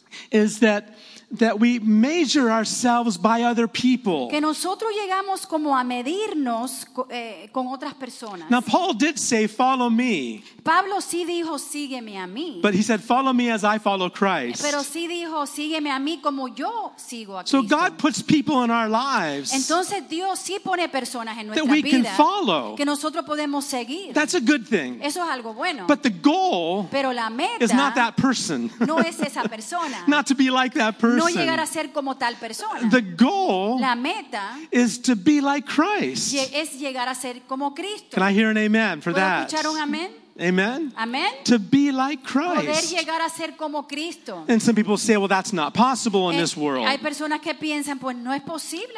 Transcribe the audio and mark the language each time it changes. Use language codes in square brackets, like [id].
[en] is that we measure ourselves by other people. [es] Que nosotros llegamos como a medirnos con otras personas. [en] Now Paul did say, "Follow me." [es] Pablo sí dijo, "Sígueme a mí." [en] But he said, "Follow me as I follow Christ." [es] Pero sí dijo, "Sígueme a mí como yo sigo a Cristo." [en] So God puts people in our lives. [es] Entonces Dios sí pone personas en nuestra [en] vida. That we can follow. [es] Que nosotros podemos seguir. [en] That's a good thing. [es] Eso es algo bueno. [en] But the goal, [es] pero la meta, [en] is not that person. [es] No es esa persona. [en] Not to be like that person. [es] No llegar a ser como tal persona. [en] The goal, [es] la meta, [en] is to be like Christ. [es] Es llegar a ser como Cristo. [en] Can I hear an amen for [es] ¿puedo [en] that? [es] Escuchar un amén? [en] Amen? Amen. To be like Christ. [es] Poder llegar a ser como Cristo. [en] And some people say, well, that's not possible in this world. [es] Hay personas que piensan, pues, no es posible.